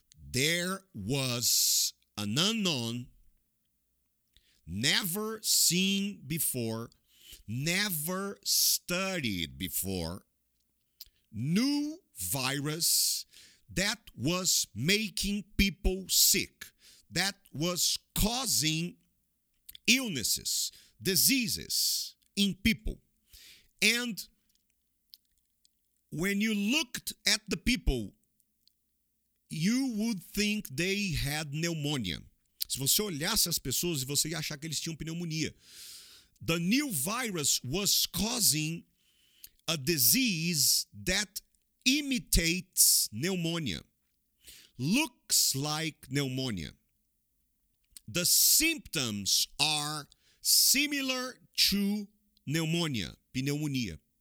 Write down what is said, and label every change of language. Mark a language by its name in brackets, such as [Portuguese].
[English] There was an unknown, never seen before, never studied before, new virus that was making people sick, that was causing illnesses, diseases in people. And when you looked at the people, you would think they had pneumonia. [Portuguese] Se você olhasse as pessoas, você ia achar que eles tinham pneumonia. [English] The new virus was causing a disease that imitates pneumonia. Looks like pneumonia. The symptoms are similar to pneumonia, pneumonia.